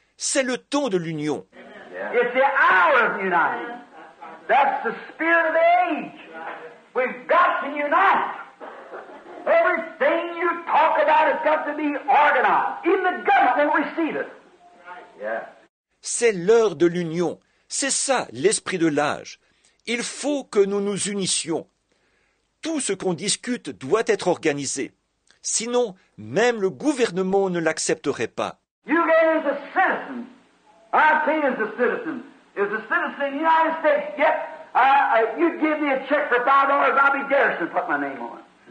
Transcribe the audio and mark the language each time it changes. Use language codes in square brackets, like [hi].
[fr] C'est le temps de l'union. [en] It's the hour of uniting. That's the spirit of the age. We've got to unite. Everything you talk about has got to be organized. Even the government receives it. [fr] C'est l'heure de l'union. C'est ça l'esprit de l'âge. Il faut que nous nous unissions. Tout ce qu'on discute doit être organisé. Sinon, même le gouvernement ne l'accepterait pas. [en] You get as a citizen. I pay as a citizen. As a citizen of the United States, yep, you give me a check for $5, I'll be garrison, put my name on it.